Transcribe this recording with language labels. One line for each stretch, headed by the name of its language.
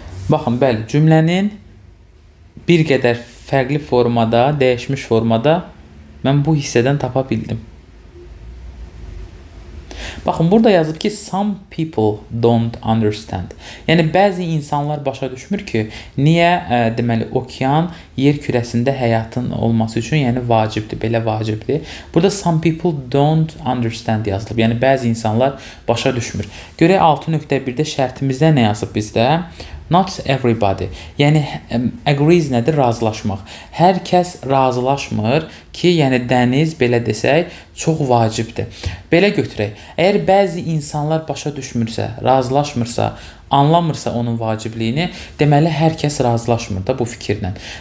Azerbaijani: Baxın, bəli, cümlənin bir qədər fərqli formada, dəyişmiş formada mən bu hissədən tapa bildim. Baxın, burada yazıb ki,
English: some people don't understand.
Azerbaijani: Yəni, bəzi insanlar başa düşmür ki, niyə deməli okean yer kürəsində həyatın olması üçün, yəni vacibdir, belə vacibdir. Burada
English: some people don't understand
Azerbaijani: yazılıb. Yəni, bəzi insanlar başa düşmür. Görək 6.1-də şərtimizdə nə yazıb bizdə?
English: Not everybody.
Azerbaijani: Yəni agrees nədir? Razılaşmaq. Hər kəs razılaşmır ki, yəni dəniz belə desək çox vacibdir. Belə götürək. Əgər bəzi insanlar başa düşmürsə, razılaşmırsa, anlamırsa onun vacibliyini, deməli hər kəs razılaşmır da bu fikirlə.